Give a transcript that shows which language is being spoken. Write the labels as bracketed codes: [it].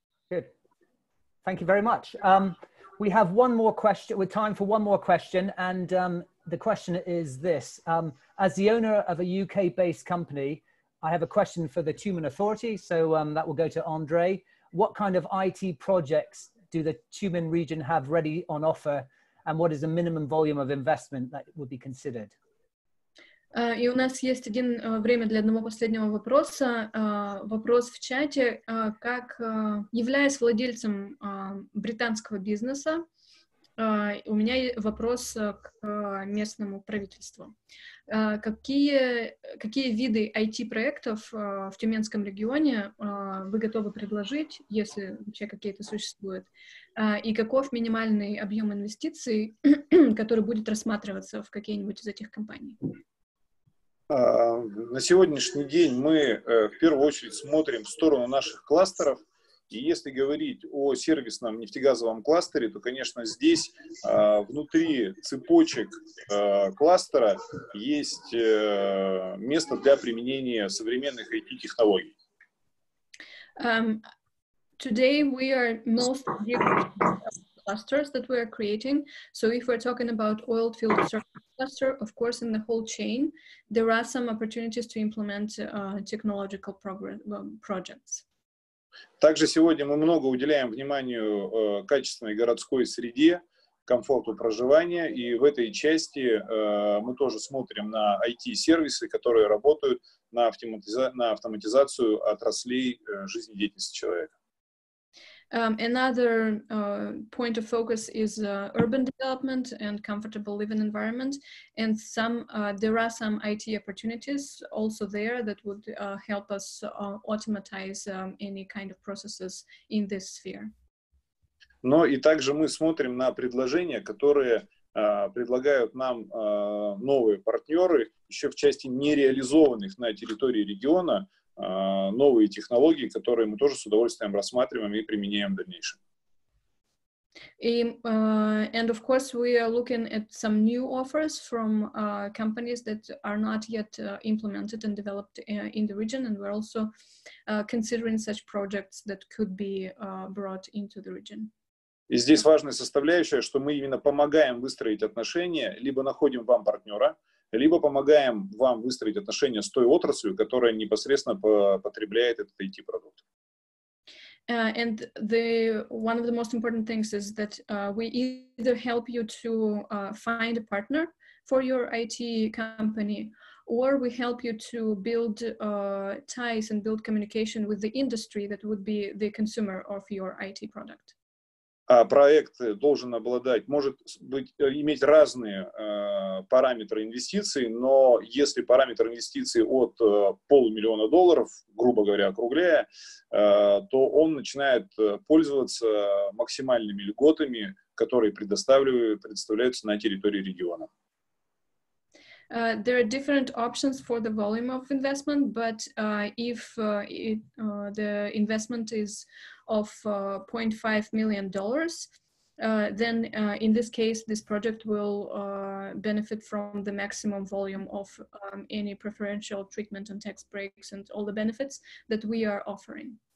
[en] Good. Thank you very much. We have one more question, with time for one more question, and the question is this. As the owner of a UK-based company, I have a question for the Tumen Authority, so that will go to Andre. What kind of IT projects do the Tumen region have ready on offer, and what is the minimum volume of investment that would be considered? [ru] И у нас есть один время для одного последнего вопроса. Вопрос в чате. Как, являясь владельцем британского бизнеса, у меня вопрос к местному правительству. Какие виды IT-проектов в Тюменском регионе вы готовы предложить, если вообще какие-то существуют? И каков минимальный объем инвестиций, который будет рассматриваться в какие-нибудь из этих компаний? На сегодняшний день мы в первую очередь смотрим в сторону наших кластеров. И если говорить о сервисном нефтегазовом кластере, то, конечно, здесь внутри цепочек кластера есть место для применения современных IT-технологий. [en] Today we are most clusters that we are creating. So if we're talking about oil field cluster, of course, in the whole chain, there are some opportunities to implement technological projects. [ru] Также сегодня мы много уделяем вниманию качественной городской среде, комфорту проживания, и в этой части мы тоже смотрим на IT-сервисы, которые работают на автоматизацию отраслей жизнедеятельности человека. [en] Another point of focus is urban development and comfortable living environment, and there are some IT opportunities also there that would help us automatize any kind of processes in this sphere. [ru] Но и также мы смотрим на предложения, которые предлагают нам новые партнеры еще в части нереализованных на территории региона. Новые технологии, которые мы тоже с удовольствием рассматриваем и применяем в дальнейшем. [en] And of course we are looking at some new offers from companies that are not yet implemented and developed in the region, and we're also considering such projects that could be brought into the region. [ru] И здесь важная составляющая, что мы именно помогаем выстроить отношения, либо находим вам партнера, либо помогаем вам выстроить отношения с той отраслью, которая непосредственно потребляет этот IT-продукт. [en] And one of the most important things is that we either help you to find a partner for your IT company, or we help you to build ties and build communication with the industry that would be the consumer of your IT product. [ru] Проект должен обладать, может быть, иметь разные параметры инвестиций, но если параметр инвестиций от полумиллиона долларов, грубо говоря, округляя, то он начинает пользоваться максимальными льготами, которые предоставляются на территории региона. [en] There are different options for the volume of investment, but if the investment is of 0.5 million dollars, then in this case, this project will benefit from the maximum volume of any preferential treatment and tax breaks and all the benefits that we are offering.